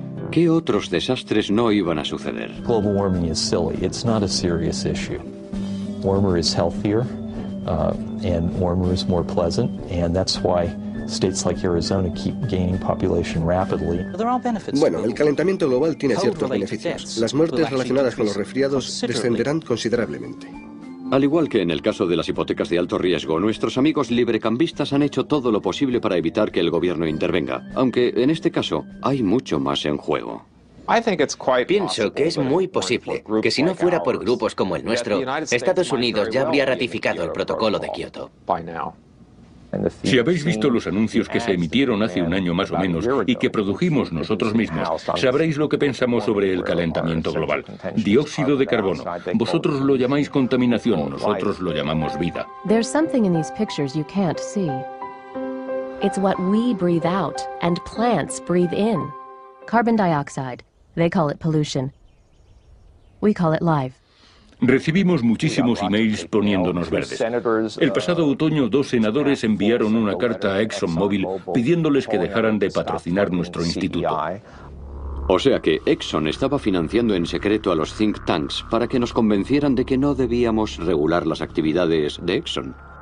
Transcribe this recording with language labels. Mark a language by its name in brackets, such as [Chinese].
[Spanish] ¿Qué otros desastres no iban a suceder? [English] Global warming is silly. It's not a serious issue. Warmer is healthier, and warmer is more pleasant, and that's why states like Arizona keep gaining population rapidly. [Spanish] Bueno, el calentamiento global tiene ciertos beneficios. Las muertes relacionadas con los resfriados descenderán considerablemente. Al igual que en el caso de las hipotecas de alto riesgo, nuestros amigos librecambistas han hecho todo lo posible para evitar que el gobierno intervenga. Aunque, en este caso, hay mucho más en juego. Pienso que es muy posible que si no fuera por grupos como el nuestro, Estados Unidos ya habría ratificado el protocolo de Kioto. Si habéis visto los anuncios que se emitieron hace un año más o menos y que produjimos nosotros mismos, sabréis lo que pensamos sobre el calentamiento global. Dióxido de carbono. Vosotros lo llamáis contaminación, nosotros lo llamamos vida. [English] There's something in these pictures you can't see. It's what we breathe out and plants breathe in. Carbon dioxide. They call it pollution. We call it life. [Spanish] Recibimos muchísimos emails poniéndonos verdes. El pasado otoño, dos senadores enviaron una carta a ExxonMobil pidiéndoles que dejaran de patrocinar nuestro instituto. O sea que Exxon estaba financiando en secreto a los think tanks para que nos convencieran de que no debíamos regular las actividades de Exxon.